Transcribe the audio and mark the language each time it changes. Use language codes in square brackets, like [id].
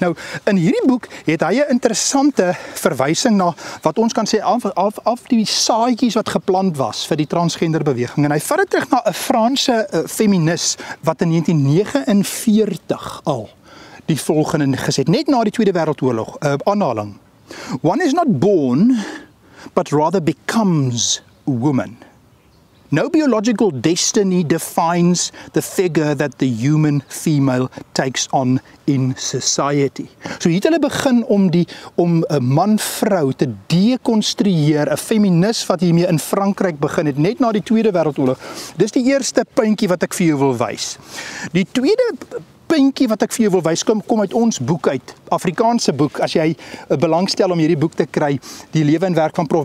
[af] Nou, in hierdie boek het hy 'n interessante verwysing na wat ons kan sê af die saadjies wat geplant was vir die transgender beweging, en hy vat dit terug na 'n Franse feminis wat in 1949 al die volgende gesê het, net na die Tweede Wêreldoorlog, aanhaling: [en] "One is not born, but rather becomes woman. No biological destiny defines the figure that the human female takes on in society." [af] So hier het hulle begin om 'n man-vrou te dekonstrueer, 'n feminis wat hiermee in Frankryk begin het, net na die Tweede Wêreldoorlog. Dis die eerste puntjie wat ek vir jou wil wys. Die tweede puntjie wat ek vir jou wil wys kom uit ons boek uit, Afrikaanse boek, as jy belangstel om hierdie boek te kry, Die Lewe en Werk van Prof.